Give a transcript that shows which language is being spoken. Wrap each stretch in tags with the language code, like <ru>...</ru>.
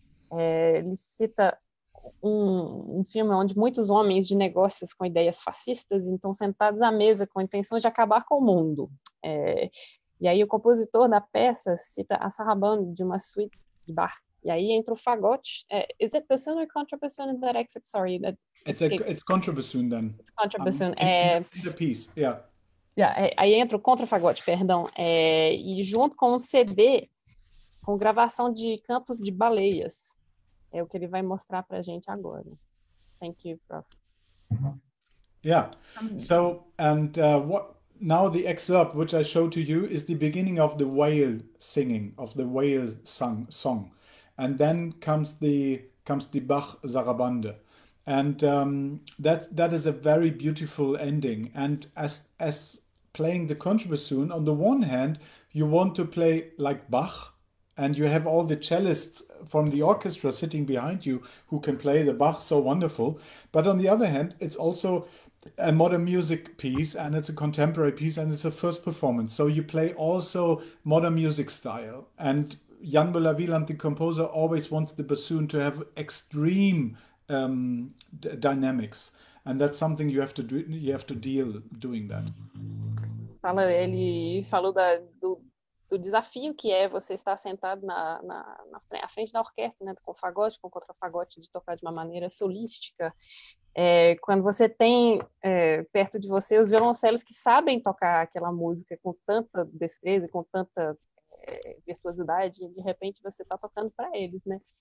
<pt>Ele cita um filme onde muitos homens de negócios com ideias fascistas estão sentados à mesa com a intenção de acabar com o mundo. E aí o compositor da peça cita a sarabanda de uma suite de bar. E aí entra o fagote.</pt> <en>Is it bassoon or contrabassoon in that excerpt? Sorry. It's contrabassoon then. It's contrabassoon. The piece, yeah.</en> <pt>Yeah, aí entra o contrafagote, perdão. E junto com um CD, com gravação de cantos de baleias. É o que ele vai mostrar pra gente agora.</pt> <en>Thank you, Prof. Yeah. So, and what now the excerpt which I show to you is the beginning of the whale singing, of the whale song. And then comes the Bach Zarabande, and that is a very beautiful ending. And as playing the contrabassoon, on the one hand, you want to play like Bach, and you have all the cellists from the orchestra sitting behind you who can play the Bach so wonderful. But on the other hand, it's also a modern music piece, and it's a contemporary piece, and it's a first performance. So you play also modern music style. And Jan Müller-Wieland, the composer, always wants the bassoon to have extreme dynamics, and that's something you have to do. You have to deal doing that.</en> <pt>Ele falou do desafio que é você estar sentado na frente da orquestra, né, com fagote, com contrafagote, de tocar de uma maneira solística. Quando você tem perto de você os violoncelos que sabem tocar aquela música com tanta destreza, com tanta virtuosidade, de repente você está tocando para eles, né?</pt>